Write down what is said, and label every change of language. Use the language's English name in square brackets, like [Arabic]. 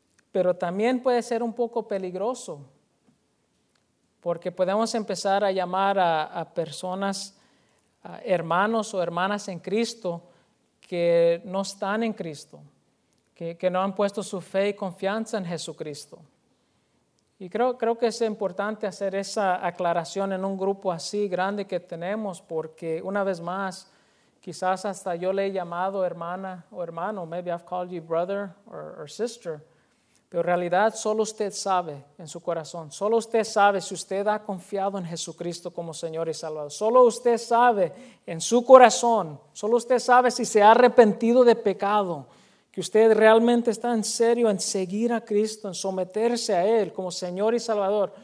[Spanish] Pero también puede ser un poco peligroso porque podemos empezar a llamar a personas, a hermanos o hermanas en Cristo que no están en Cristo, que no han puesto su fe y confianza en Jesucristo. Y creo que es importante hacer esa aclaración en un grupo así grande que tenemos porque una vez más, quizás hasta yo le he llamado hermana o hermano. [English] Maybe I've called you brother or sister. [Spanish] Pero en realidad solo usted sabe en su corazón. Solo usted sabe si usted ha confiado en Jesucristo como Señor y Salvador. Solo usted sabe en su corazón. Solo usted sabe si se ha arrepentido de pecado. Que usted realmente está en serio en seguir a Cristo, en someterse a Él como Señor y Salvador.